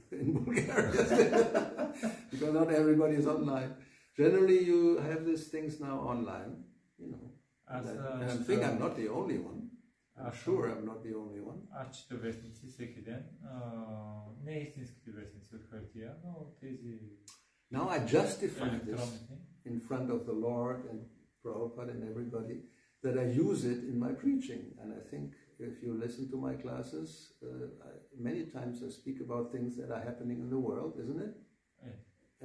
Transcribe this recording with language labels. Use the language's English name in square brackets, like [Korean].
[English] In Bulgaria, because not everybody is online. Generally, you have these things now online. You know, and I think I'm not the only one. I'm not the only one. [Bulgarian] Аз чета вестници всеки ден. Не истинските вестници от хартия, но тези. [English] Now I justify this in front of the Lord and Prabhupada and everybody, that I use it in my preaching. And I think if you listen to my classes, many times I speak about things that are happening in the world, isn't it? Yeah.